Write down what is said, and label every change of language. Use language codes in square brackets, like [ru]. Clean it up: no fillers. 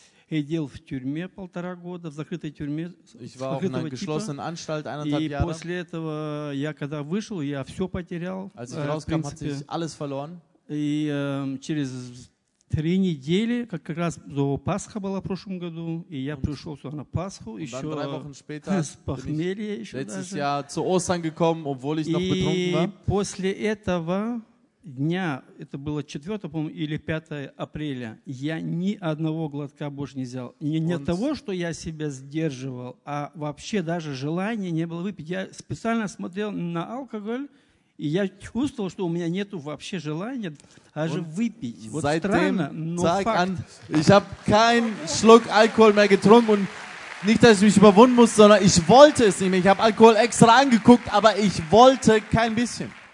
[ru] Сидел в тюрьме полтора года, в закрытой тюрьме. [de] Ich war auch in einer geschlossenen Anstalt eineinhalb Jahre. [ru] И после этого я когда вышел, я все потерял. [de] Als ich rauskam, hatte ich alles verloren. [ru] И через 3 недели, как раз до Пасха была в прошлом году, и я пришел сюда на Пасху, еще [de] dann 3 Wochen später [ru] с похмелья еще даже. [de] Letztes Jahr zu Ostern gekommen, obwohl ich noch betrunken war. [ru] И после этого дня, это было 4, по-моему, или 5 апреля, я ни одного глотка больше не взял. Не от того, что я себя сдерживал, а вообще даже желания не было выпить. Я специально смотрел на алкоголь, и я чувствовал, что у меня нету вообще желания даже выпить. Вот странно, но факт. An, [de] ich habe keinen Schluck Alkohol mehr getrunken und nicht, dass ich mich überwunden muss, sondern ich wollte es nicht mehr. Ich habe Alkohol extra angeguckt, aber ich wollte kein bisschen.